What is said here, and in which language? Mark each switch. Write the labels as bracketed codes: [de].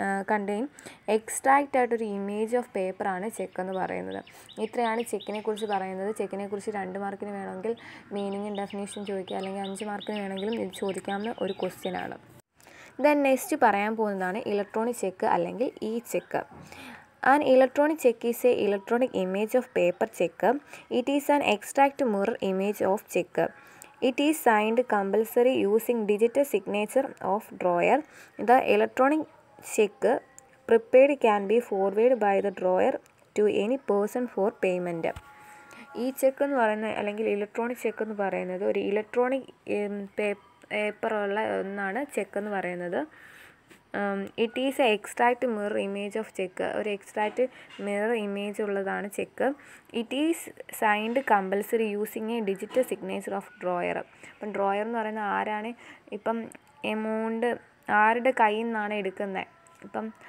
[ml] Contain extract ആയിട്ടൊരു image of പേപ്പറാണ് check എന്ന് പറയുന്നത് ഇത്രയാണ് ചെക്കിനെക്കുറിച്ച് പറയുന്നത് ചെക്കിനെക്കുറിച്ച് 2 മാർക്കിന് വേണമെങ്കിൽ മീനിങ്ങും ഡെഫിനേഷനും ചോദിക്കുക അല്ലെങ്കിൽ 5 മാർക്കിന് വേണമെങ്കിലും ഇത് ചോദിക്കാവുന്ന ഒരു ക്വസ്റ്റ്യൻ ആണ് ദെൻ നെക്സ്റ്റ് പറയാൻ പോകുന്നതാണ് ഇലക്ട്രോണിക് ചെക്ക് അല്ലെങ്കിൽ E check [en] An electronic check is an electronic image of paper check. It is an extract mirror image of check. It is signed compulsory using digital signature of drawer. The electronic check prepared can be forwarded by the drawer to any person for payment. [ml] ഈ check എന്ന് പറയുന്ന അല്ലെങ്കിൽ electronic check എന്ന് പറയുന്നത് ഒരു electronic പേപ്പറുള്ള ഒന്നാണ് check എന്ന് പറയുന്നത് [en] it is a extract mirror image of cheque [ml] ഒരു എക്സ്ട്രാക്ട് മിറർ ഇമേജ് ഉള്ളതാണ് check [en] it is signed compulsory using a digital signature of drawer [ml] അപ്പം ഡ്രോയർ എന്ന് പറയുന്നത് ആരാണ് ഇപ്പം എമൗണ്ട് ആരുടെ കയ്യിൽ നിന്നാണ് എടുക്കുന്നത് ഇപ്പം